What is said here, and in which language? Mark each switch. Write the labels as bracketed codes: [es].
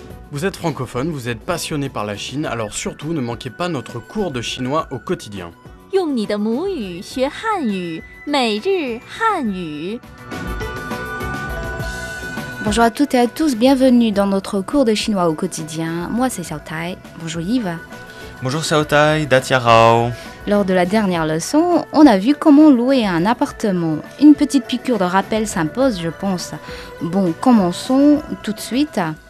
[fr] Vous êtes francophone, vous êtes passionné par la Chine, alors surtout ne manquez pas notre cours de chinois au quotidien. [zh] 用你的母语学汉语，每日汉语。 [fr] Bonjour à toutes et à tous, bienvenue dans notre cours de chinois au quotidien. Moi c'est Xiao Tai. Bonjour Yves. Bonjour Xiao Tai, [zh] Da Jia Hao. [fr] Lors de la dernière leçon, on a vu comment louer un appartement. Une petite piqûre de rappel s'impose, je pense. Bon, commençons tout de suite.